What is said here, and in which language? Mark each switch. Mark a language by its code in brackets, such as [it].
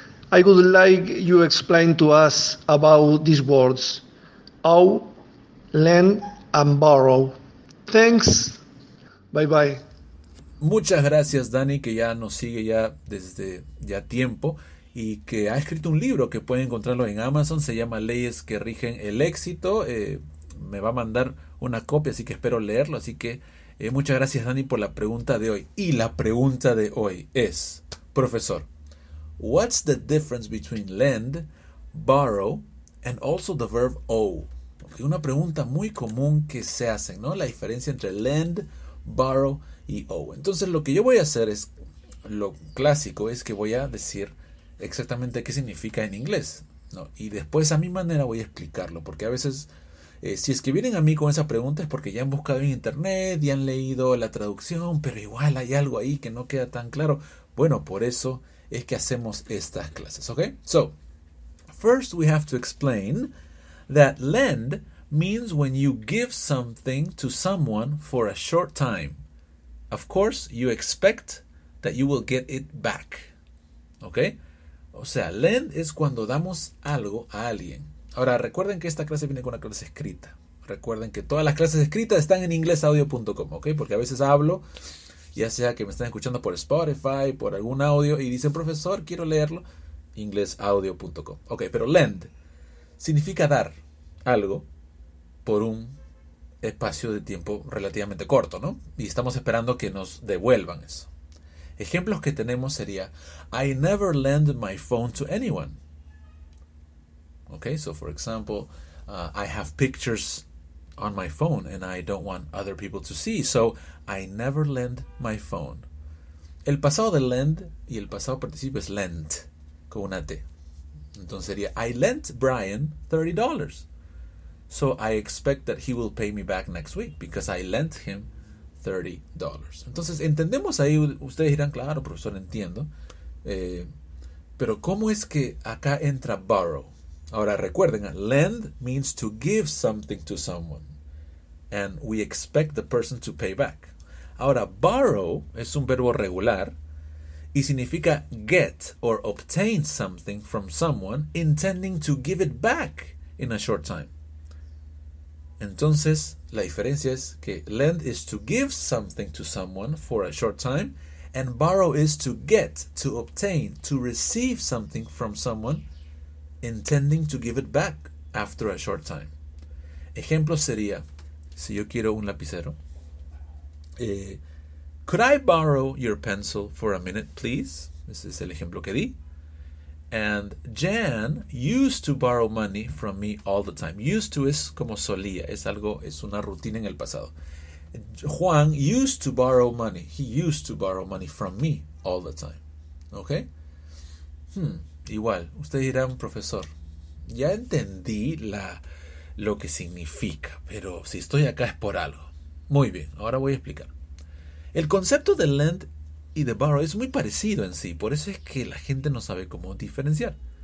[en] I would like you explain to us about these words: owe, lend and borrow. Thanks. Bye bye. [es] Muchas gracias, Dani, que ya nos sigue ya desde ya tiempo y que ha escrito un libro que pueden encontrarlo en Amazon. Se llama Leyes que rigen el éxito. Me va a mandar una copia, así que espero leerlo. Así que muchas gracias, Dani, por la pregunta de hoy. Y la pregunta de hoy es, profesor, [en] what's the difference between lend, borrow, and also the verb owe? [es] Porque una pregunta muy común que se hace, ¿no? La diferencia entre lend, borrow y owe. Entonces, lo que yo voy a hacer es, lo clásico es que voy a decir exactamente qué significa en inglés, ¿no? Y después, a mi manera, voy a explicarlo, porque a veces, si es que vienen a mí con esa pregunta es porque ya han buscado en internet y han leído la traducción, pero igual hay algo ahí que no queda tan claro. Bueno, por eso es que hacemos estas clases, ¿ok? [en] So, first we have to explain that lend means when you give something to someone for a short time. Of course, you expect that you will get it back, ¿ok? [es] O sea, lend es cuando damos algo a alguien. Ahora, recuerden que esta clase viene con una clase escrita. Recuerden que todas las clases escritas están en inglesaudio.com, ¿ok? Porque a veces hablo, ya sea que me están escuchando por Spotify, por algún audio, y dicen, profesor, quiero leerlo, inglesaudio.com. Ok, pero lend significa dar algo por un espacio de tiempo relativamente corto, ¿no? Y estamos esperando que nos devuelvan eso. Ejemplos que tenemos sería [en] I never lend my phone to anyone. Okay, so for example, I have pictures on my phone and I don't want other people to see, so I never lend my phone. [es] El pasado de lend y el pasado participio es lent con una T. Entonces sería [en] I lent Brian $30. So I expect that he will pay me back next week because I lent him $30. [es] Entonces entendemos ahí, ustedes dirán, claro, profesor, entiendo. Pero ¿cómo es que acá entra borrow? Ahora recuerden, [en] lend means to give something to someone. And we expect the person to pay back. [es] Ahora, borrow es un verbo regular y significa [en] get or obtain something from someone intending to give it back in a short time. [es] Entonces, la diferencia es que [en] lend is to give something to someone for a short time and borrow is to get, to obtain, to receive something from someone intending to give it back after a short time. [es] Ejemplo sería, si yo quiero un lapicero, [en] could I borrow your pencil for a minute, please? Ese es el ejemplo que di. And Jan used to borrow money from me all the time. [es] Used to es como solía, es algo, es una rutina en el pasado. [en] Juan used to borrow money. He used to borrow money from me all the time. ¿Ok? [es] Igual, usted dirá, profesor, ya entendí lo que significa, pero si estoy acá es por algo. Muy bien, ahora voy a explicar. El concepto de lend y de borrow es muy parecido en sí, por eso es que la gente no sabe cómo diferenciar.